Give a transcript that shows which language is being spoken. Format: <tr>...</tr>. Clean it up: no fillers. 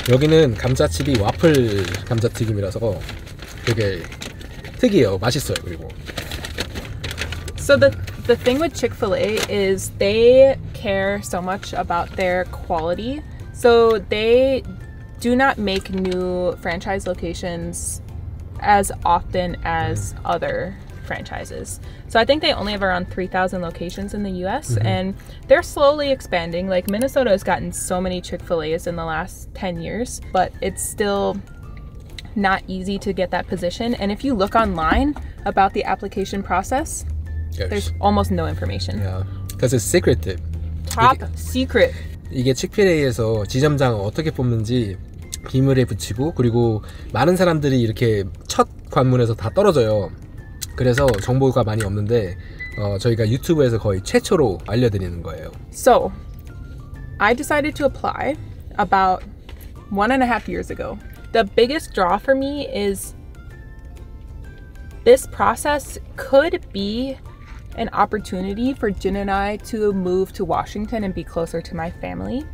<ko>여기는 감자칩이 와플 감자튀김이라서 되게 특이해요. 맛있어요. 그리고.</ko> <en>So the thing with Chick-fil-A is they care so much about their quality. So they do not make new franchise locations as often as mm. other franchises. So I think they only have around 3,000 locations in the US mm-hmm. and they're slowly expanding. Like Minnesota has gotten so many Chick-fil-A's in the last 10 years, but it's still not easy to get that position. And if you look online about the application process, yes. there's almost no information. Yeah, because it's secretive. Top 이게, secret.</en> <ko>이게 Chick-fil-A에서 지점장을 어떻게 뽑는지 비밀에 붙이고 그리고 많은 사람들이 이렇게 첫 관문에서 다 떨어져요. 그래서 정보가 많이 없는데 저희가 유튜브에서 거의 최초로 알려드리는 거예요.</ko> <en>So, I decided to apply about 1.5 years ago. The biggest draw for me is this process could be an opportunity for Jin and I to move to Washington and be closer to my family.</en>